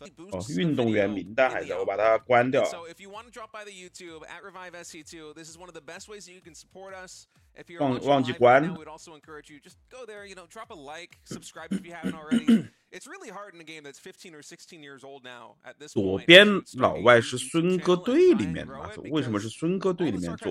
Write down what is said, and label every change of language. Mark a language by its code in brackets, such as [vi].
[zh] 哦，运动员名单还在，我把它关掉。 [en] So if you want to drop by the YouTube at Revive SC2, this is one of the best ways you can support us. If you're watching live, we'd also encourage you just go there, you know, drop a like, subscribe if you haven't already. It's really hard in a game that's 15 or 16 years old now at this point. [zh] 左边老外是孙哥队里面的吗？为什么是孙哥队里面？